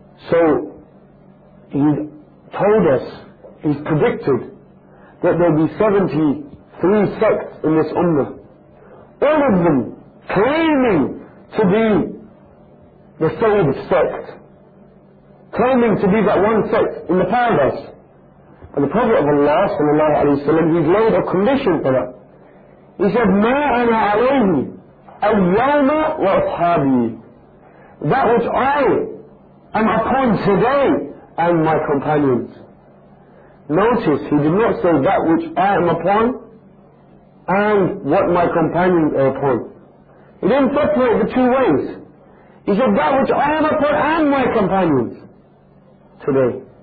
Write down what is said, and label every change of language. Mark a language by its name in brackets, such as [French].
[English] So, he told us, he predicted, that there will be 73 sects in this ummah. All of them claiming to be the Sayyid sect. Claiming to be that one sect in the paradise. And the Prophet of Allah, sallallahu alayhi wa sallam, he's laid a condition for that. He said, [Arabic] مَا أَنَا عَلَيْهِ الْيَوْمَ وَأَصْحَابِي. [English] That which I am upon today and my companions. Notice, he did not say that which I am upon and what my companions are upon. He didn't separate the two ways. He said, that which I am upon and my companions today.